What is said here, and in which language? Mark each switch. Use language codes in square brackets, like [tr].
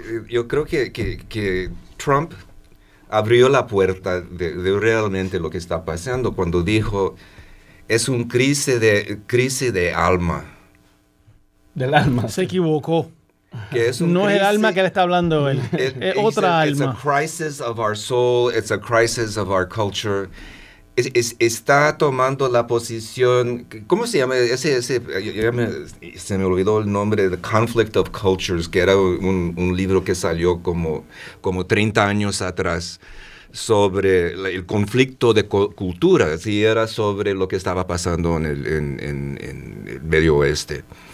[es] Yo creo que Trump abrió la puerta de realmente lo que está pasando cuando dijo: es un crisis de alma. Del alma. Se equivocó. Que es no crisis, es el alma que le está hablando él, es otra alma. [en] It's a crisis of our soul, it's a crisis of our culture. [es] Está tomando la posición, ¿cómo se llama? Se me olvidó el nombre, The Conflict of Cultures, que era un libro que salió como 30 años atrás sobre el conflicto de culturas, y era sobre lo que estaba pasando en el Medio Oeste.